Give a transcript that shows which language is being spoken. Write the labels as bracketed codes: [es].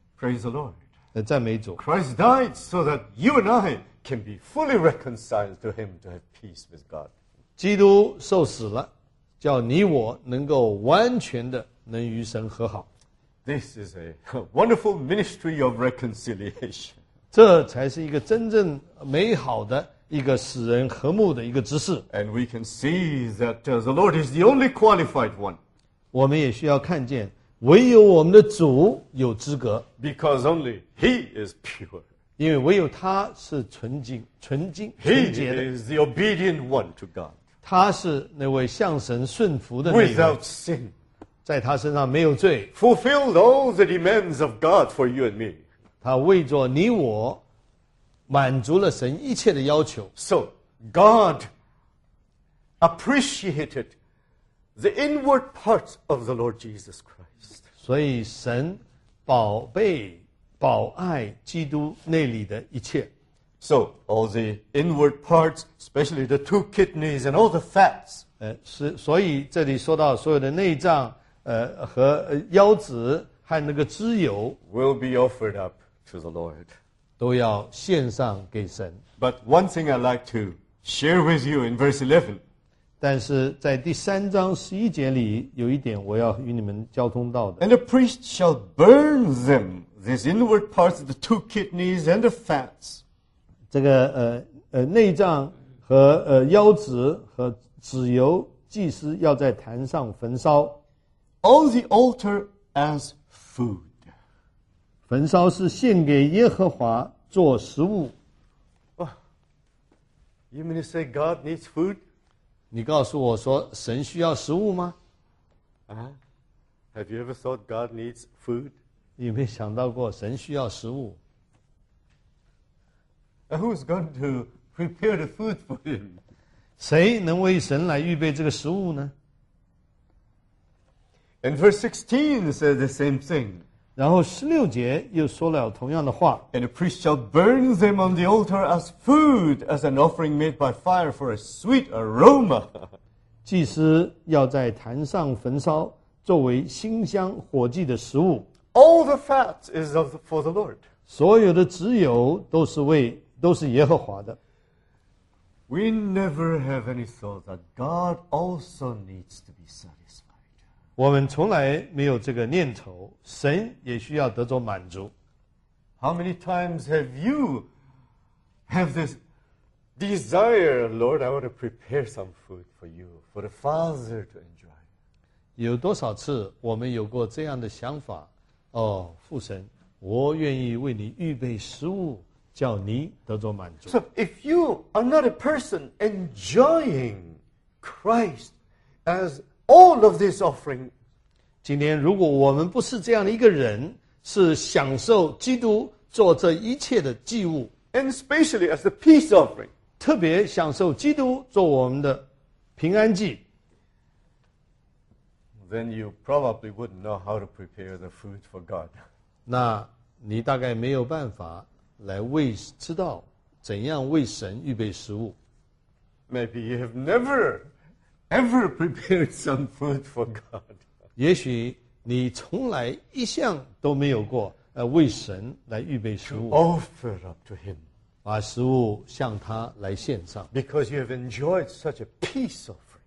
[en] Praise the Lord. [zh] 赞美主。 [en] Christ died so that you and I can be fully reconciled to Him to have peace with God. [zh] 基督受死了，叫你我能够完全的能与神和好。 [en] This is a wonderful ministry of reconciliation. [zh] 这才是一个真正美好的。一个使人和睦的一个知识 [en] And we can see that the Lord is the only qualified one. [zh] 我们也需要看见，唯有我们的主有资格 [en] Because only He is pure. [zh] 因为唯有他是纯净、纯净、纯洁的 [en] He is the obedient one to God. [zh] 他是那位向神顺服的那 [en] 位 Without sin. [zh] 在他身上没有罪 [en] Fulfilled all the demands of God for you and me. [zh] 他为着你我满足了神一切的要求。 [en] So, God appreciated the inward parts of the Lord Jesus Christ. [zh] 所以神宝贝、宝爱基督内里的一切。 [en] So, all the inward parts, especially the two kidneys and all the fats. [zh] 所以这里说到所有的内脏、和腰子和那个脂油 [en] will be offered up to the Lord. [zh] 都要献上给神。 [en] But one thing I'd like to share with you in verse 11. [zh] 但是在第三章十一节里有一点我要与你们交通到的。 [en] And the priest shall burn them, these inward parts of the two kidneys and the fats. [zh] 这个内脏和腰子和脂油祭司要在坛上焚烧。 [en] On the altar as food. [zh] 焚烧是献给耶和华做食物。 [en] You mean to say God needs food? [zh] 你告诉我说神需要食物吗？ [en] Have you ever thought God needs food? [zh] 你有没有想到过神需要食物？ [en] Who's going to prepare the food for him? [zh] 谁能为神来预备这个食物呢？ [en] And verse 16 says the same thing. [zh] 然后十六节又说了同样的话。 [en] And a priest shall burn them on the altar as food, as an offering made by fire for a sweet aroma. [zh] 祭司要在坛上焚烧作为馨香火祭的食物。 [en] All the fat is for the Lord. [zh] 所有的脂油都是为都是耶和华的。 [en] We never have any thought that God also needs to be satisfied. [zh] 我们从来没有这个念头，神也需要得着满足。 [en] How many times have you have this desire, Lord, I want to prepare some food for you, for the Father to enjoy? [zh] 有多少次我们有过这样的想法？哦，父神，我愿意为你预备食物，叫你得着满足。 [en] So if you are not a person enjoying Christ as all of this offering, [zh] 今天如果我们不是这样的一个人，是享受基督做这一切的祭物 [en] ，and especially as the peace offering, [zh] 特别享受基督做我们的平安祭。 [en] Then you probably wouldn't know how to prepare the food for God. [zh] 那你大概没有办法来为知道怎样为神预备食物。 [en] Maybe you have never, ever prepared some food for God. [zh] 也许你从来一向都没有过为神来预备食物。 [en] To offer up to Him. [zh] 把食物向他来献上。 [en] Because you have enjoyed such a peace of.